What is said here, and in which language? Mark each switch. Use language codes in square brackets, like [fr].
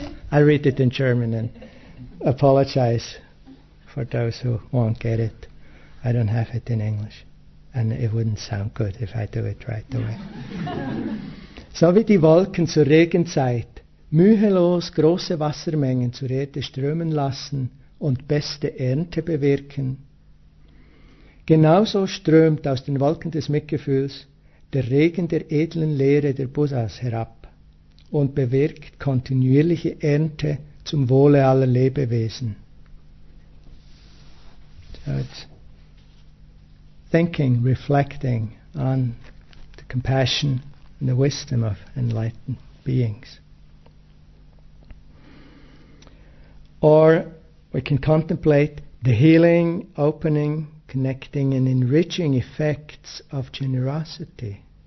[en] I read it in German and apologize for those who won't get it. I don't have it in English, and it wouldn't sound good if I do it right away. [de] So wie die Wolken zur Regenzeit mühelos große Wassermengen zur Erde strömen lassen und beste Ernte bewirken, genauso strömt aus den Wolken des Mitgefühls der Regen der edlen Lehre der Buddhas herab und bewirkt kontinuierliche Ernte zum Wohle aller Lebewesen. [en] So it's thinking, reflecting on the compassion and the wisdom of enlightened beings. Or we can contemplate the healing, opening, connecting and enriching effects of generosity.